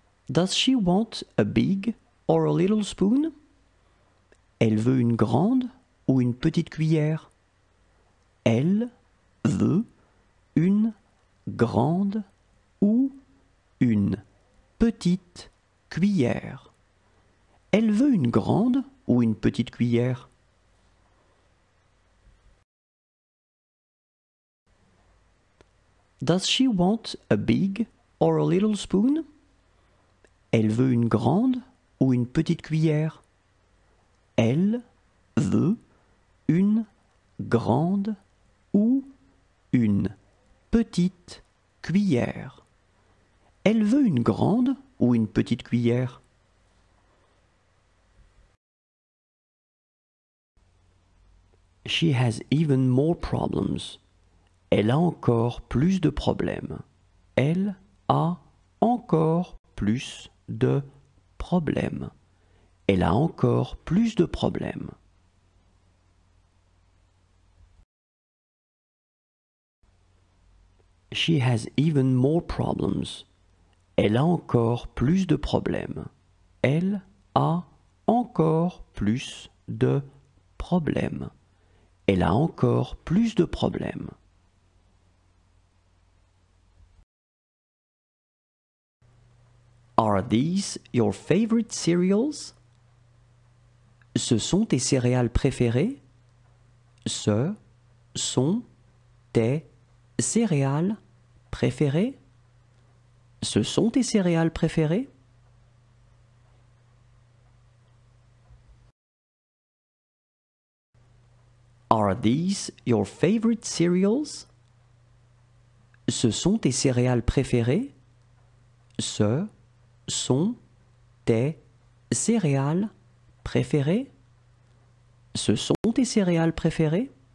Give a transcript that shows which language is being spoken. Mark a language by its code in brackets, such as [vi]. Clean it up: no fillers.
[en] Does she want a big or a little spoon? [fr] Elle veut une grande ou une petite cuillère? Elle veut une grande ou une petite cuillère. Elle veut une grande ou une petite cuillère. [en] Does she want a big or a little spoon? [fr] Elle veut une grande ou une petite cuillère. Elle veut une grande ou une petite cuillère. Elle veut une grande ou une petite cuillère. [en] She has even more problems. [fr] Elle a encore plus de problèmes. Elle a encore plus de problèmes. Elle a encore plus de problèmes. [en] She has even more problems. [fr] Elle a encore plus de problèmes. Elle a encore plus de problèmes. Elle a encore plus de problèmes. [en] Are these your favorite cereals? [fr] Ce sont tes céréales préférées? Ce sont tes céréales préférées? Ce sont tes céréales préférées? [en] Are these your favorite cereals? [fr] Ce sont tes céréales préférées? Ce sont tes céréales préférées? Ce sont tes céréales préférées?